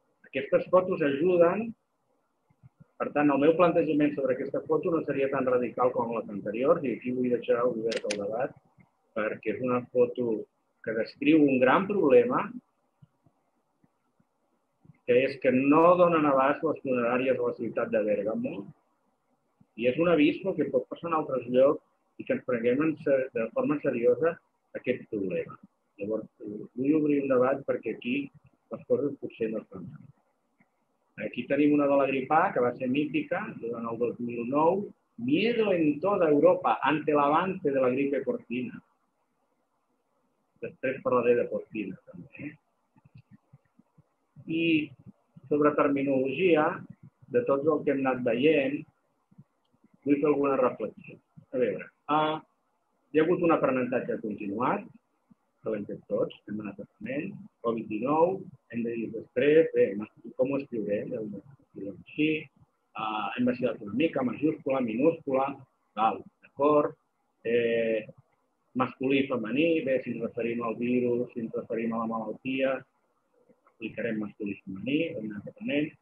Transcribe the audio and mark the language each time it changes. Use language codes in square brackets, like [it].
[ca] Aquestes fotos ajuden. Per tant, el meu plantejament sobre aquesta foto no seria tan radical com les anteriors, i aquí vull deixar obert el debat, perquè és una foto que descriu un gran problema, que és que no donen abast les funeràries de la ciutat de Bergamo, i és un avís que pot passar en altres llocs i que ens prenguem de forma seriosa aquest problema. Llavors, vull obrir un debat perquè aquí les coses potser no estan bé. Aquí tenim una de la gripà que va ser mítica durant el 2009. [es] Miedo en toda Europa ante el avance de la gripe porcina. [ca] Després parlaré de porcina, també. I sobre terminologia, de tot el que hem anat veient, vull fer alguna reflexió. A veure, hi ha hagut un aprenentatge continuat, que l'hem fet tots, hem anat a fer, Covid-19, hem de dir després, bé, com ho escriurem, hem de dir així, hem vacilat una mica, majúscula, minúscula, d'acord, masculí, femení, bé, si ens referim al virus, si ens referim a la malaltia, aplicarem masculí, femení, hem anat a fer.